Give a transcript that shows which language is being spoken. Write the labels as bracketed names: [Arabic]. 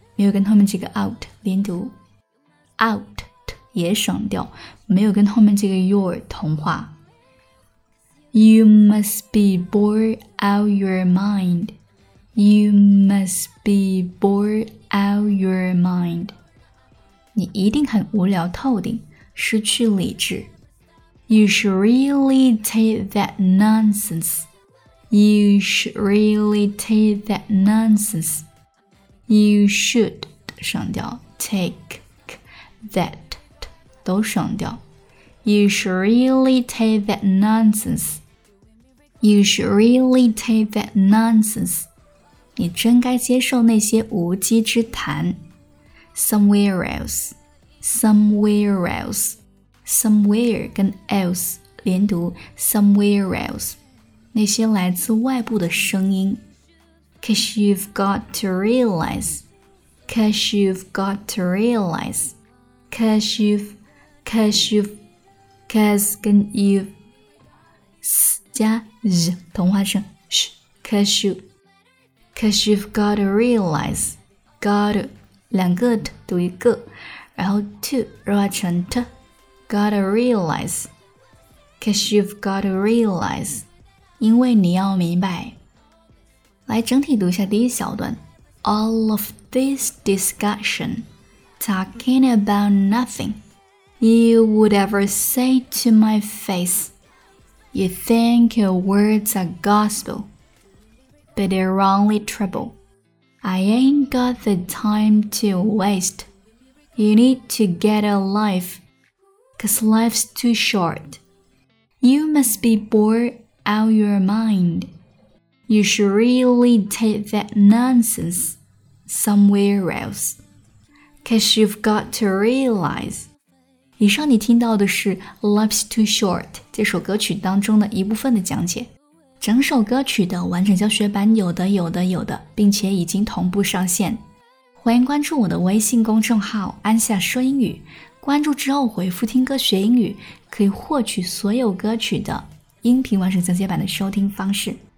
[Chinese] 没有跟后面这个 out 连读。 [English] Out. [Chinese] 也省掉，没有跟后面这个 your 同化。 [English] You must be bored out your mind. You must be bored out your mind. [Chinese] 你一定很无聊透顶，失去理智。 [English] You should really take that nonsense. You should really take that nonsense. You should [Chinese] 省掉 [English] take that. [Chinese] 都省掉 [English] You should really take that nonsense. You should really take that nonsense. [Chinese] 你真该接受那些无稽之谈。 [English] Somewhere else. Somewhere else. Somewhere [Chinese] 跟 [English] else 连读 somewhere else. [Chinese] 那些来自外部的声音。 [English] Cause you've got to realize. Cause you've got to realize. Cause you've, cause you've, cause [Chinese] 跟 [English] you've. [Chinese] S 加 z 同化声 sh. [English] Cause you, cause you've got to realize. Got to, [Chinese] 两个 t 读一个，然后 to 弱化成 t. [English] Gotta realize. Cause you've got to realize. [Chinese] 因为你要明白。来整体读一下第一小段 [English] All of this discussion talking about nothing you would ever say to my face You think your words are gospel But they're only trouble I ain't got the time to waste You need to get a life Cause life's too short You must be bored out your mindYou should really take that nonsense somewhere else. Cause you've got to realize. [Chinese] 以上你听到的是 Life's Too Short 这首歌曲当中的一部分的讲解。整首歌曲的完整教学版有的有的有的并且已经同步上线。欢迎关注我的微信公众号安夏说英语。关注之后回复听歌学英语可以获取所有歌曲的音频完整教学版的收听方式。